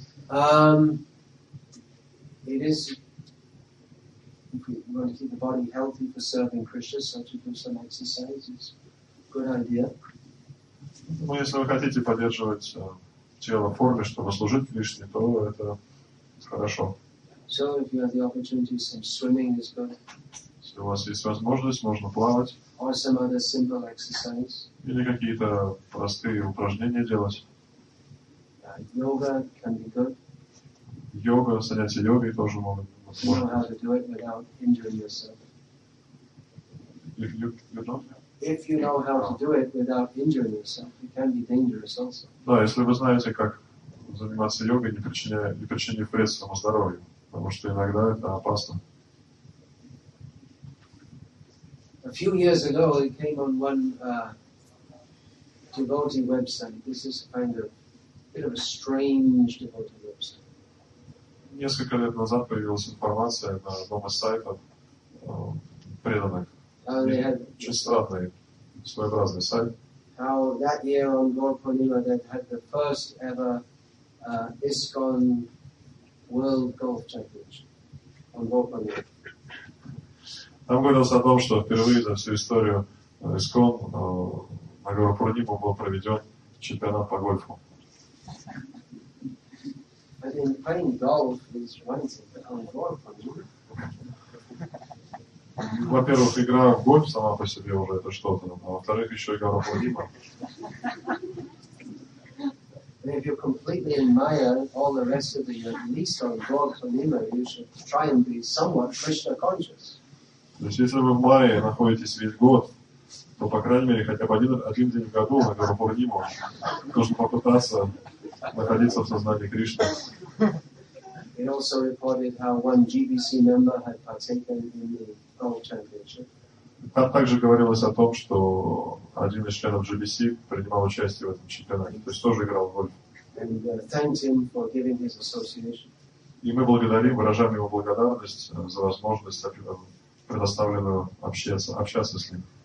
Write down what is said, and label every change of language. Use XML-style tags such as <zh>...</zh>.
<en>It is. If we want to keep the body healthy for serving Krishna, so to do some exercise is a good idea.</en> <ru>Ну, если вы хотите поддерживать тело в форме, чтобы служить Кришне, то это хорошо.</ru> <en>So if you have the opportunity, some swimming is good.</en> <ru>Если у вас есть возможность, можно плавать.</ru> <en>Or some other simple exercise.</en> <ru>Или какие-то простые упражнения делать.</ru> <en>Yoga can be good.</en> <ru>Йога, занятия йогой тоже могут.</ru> <en>You know how to do it without injuring yourself. If you don't, if you know how to do it without injuring yourself, it can be dangerous also.</en> <ru>Да, если вы знаете, как заниматься йогой, не причиняя вред своему здоровью, потому что иногда это опасно.</ru> <en>A few years ago, it came on one devotee website. This is kind of bit of a strange devotee.</en> <ru>Несколько лет назад появилась информация на одном из сайтов преданных. Очень странный, своеобразный сайт.</ru> <en>How that year on Gaur Purnima they had the first ever ISKCON World Golf Championship on Gaur Purnima.</en> <ru>Там говорилось о том, что впервые за всю историю ISKCON на Гаур Пурнима был проведен чемпионат по гольфу.</ru> <en>I mean, playing golf is one thing, but on Gaur-Purnima.</en> <ru>Во-первых, игра в гольф сама по себе уже это что-то, а во-вторых, еще и Гаур-Пурнима.</ru> <en>And if you completely admire all the rest of the year, at least on Gaur-Purnima, you should try and be somewhat Krishna conscious.</en> <ru>То есть, если вы в мае находитесь весь год, то, по крайней мере, хотя бы один день в году на Гаур-Пурнима нужно попытаться находиться в сознании Кришны.</ru> <en>It also reported how one GBC member had partaken in the golf championship.</en> <ru>Там также говорилось о том, что один из членов GBC принимал участие в этом чемпионате, то есть тоже играл в гольф.</ru> <en>And thanked him for giving his association.</en> <ru>И мы благодарим, выражаем ему благодарность за возможность предоставленную общаться с ним.</ru>